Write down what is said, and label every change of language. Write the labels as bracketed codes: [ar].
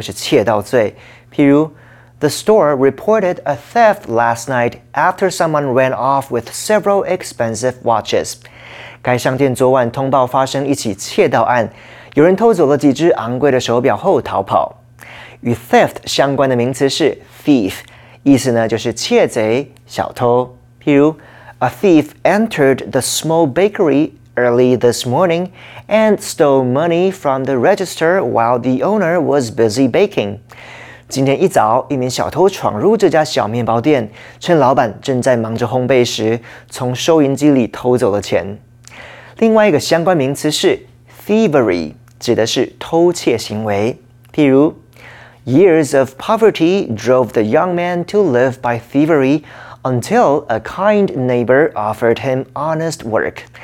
[en] The store reported a theft last night after someone ran off with several expensive watches. [zh] 该商店昨晚通报发生一起窃盗案，有人偷走了几只昂贵的手表后逃跑。与 theft 相关的名词是 thief， 意思呢就是窃贼、小偷。譬如 [en] ，A thief entered the small bakery early this morning and stole money from the register while the owner was busy baking。 [zh] 今天一早，一名小偷闯入这家小面包店，趁老板正在忙着烘焙时，从收银机里偷走了钱。另外一个相关名词是 thievery， 指的是偷窃行为。譬如 [en] ，Years of poverty drove the young man to live by thievery until a kind neighbor offered him honest work。